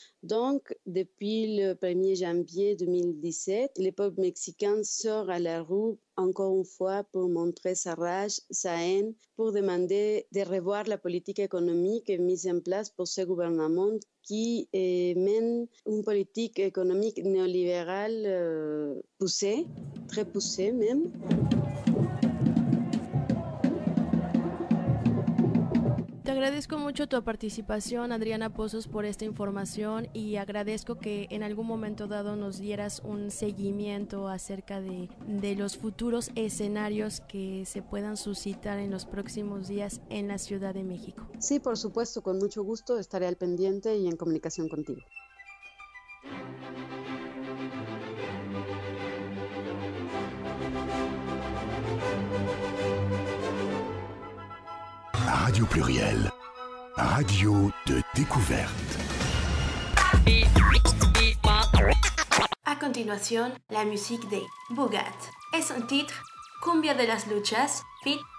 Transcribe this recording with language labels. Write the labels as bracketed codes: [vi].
[fr] Donc, depuis le 1er janvier 2017, les peuples mexicains sortent à la rue encore une fois pour montrer sa rage, sa haine, pour demander de revoir la politique économique mise en place pour ce gouvernement qui mène une politique économique néolibérale poussée, très poussée même. [es] Agradezco mucho tu participación, Adriana Pozos, por esta información, y agradezco que en algún momento dado nos dieras un seguimiento acerca de los futuros escenarios que se puedan suscitar en los próximos días en la Ciudad de México. Sí, por supuesto, con mucho gusto estaré al pendiente y en comunicación contigo. [fr] Radio Pluriel, radio de découverte. A continuation, la musique de Bugatti. Et son titre, [es] Cumbia de las Luchas, feat.